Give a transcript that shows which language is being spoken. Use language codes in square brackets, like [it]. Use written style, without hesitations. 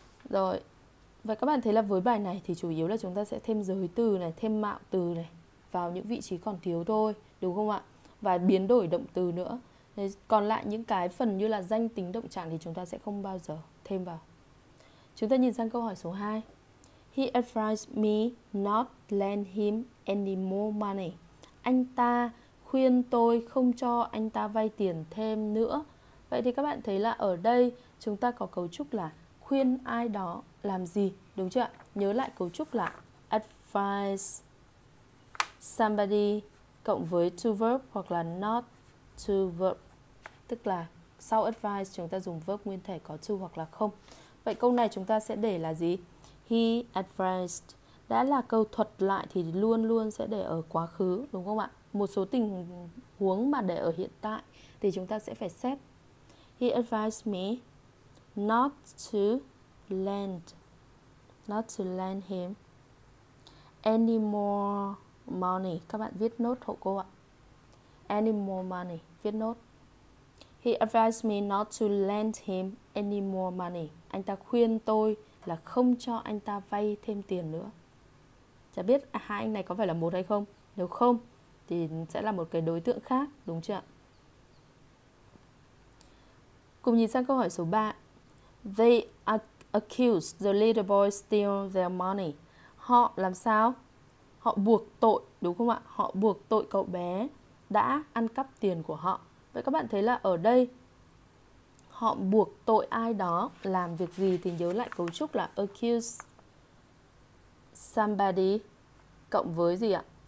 [vi] Rồi, vậy các bạn thấy là với bài này thì chủ yếu là chúng ta sẽ thêm giới từ này, thêm mạo từ này vào những vị trí còn thiếu thôi, đúng không ạ? Và biến đổi động từ nữa. Còn lại những cái phần như là danh tính động trạng thì chúng ta sẽ không bao giờ thêm vào. Chúng ta nhìn sang câu hỏi số 2. [en] He advised me not lend him any more money. [vi] Anh ta khuyên tôi không cho anh ta vay tiền thêm nữa. Vậy thì các bạn thấy là ở đây chúng ta có cấu trúc là khuyên ai đó làm gì, đúng chưa ạ? Nhớ lại cấu trúc là [en] advise somebody [vi] cộng với to verb hoặc là not to verb. Tức là sau advise chúng ta dùng verb nguyên thể có to hoặc là không. Vậy câu này chúng ta sẽ để là gì? [en] He advised. [vi] Đã là câu thuật lại thì luôn luôn sẽ để ở quá khứ, đúng không ạ? Một số tình huống mà để ở hiện tại thì chúng ta sẽ phải xét. [en] He advised me not to lend him any more money. [vi] Các bạn viết nốt hộ cô ạ. [en] Any more money, [vi] viết nốt. [en] He advised me not to lend him any more money. [vi] Anh ta khuyên tôi là không cho anh ta vay thêm tiền nữa. Chả biết hai anh này có phải là một hay không. Nếu không thì sẽ là một cái đối tượng khác, đúng chưa ạ? Cùng nhìn sang câu hỏi số 3. [en] They accuse the little boy steal their money. [vi] Họ làm sao? Họ buộc tội, đúng không ạ? Họ buộc tội cậu bé đã ăn cắp tiền của họ. Vậy các bạn thấy là ở đây họ buộc tội ai đó làm việc gì thì nhớ lại cấu trúc là [en] accuse somebody [vi] cộng với gì ạ?